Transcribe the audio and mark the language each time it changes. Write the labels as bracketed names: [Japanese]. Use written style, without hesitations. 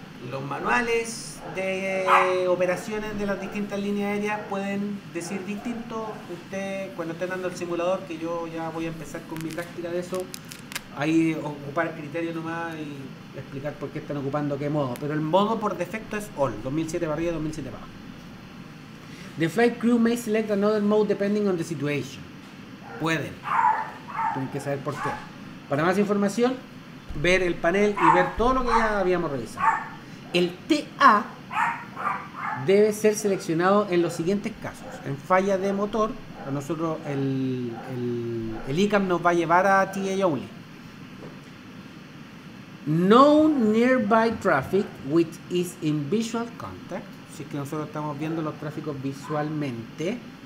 [Spanish] Los manuales de operaciones de las distintas líneas aéreas pueden decir distinto. Usted, cuando esté dando el simulador, que yo ya voy a empezar con mi práctica de eso, ahí ocupar criterio nomás y explicar por qué están ocupando qué modo. Pero el modo por defecto es ALL, 2007 para arriba, 2007 para abajo. [English] The flight crew may select another mode depending on the situation. [Spanish] Pueden. Tienen que saber por qué. Para más información, ver el panel y ver todo lo que ya habíamos revisado. El TA debe ser seleccionado en los siguientes casos. En falla de motor, a nosotros el ICAM nos va a llevar a TA only. [English] No nearby traffic which is in visual contact. [Spanish] Así que nosotros estamos viendo los tráficos visualmente.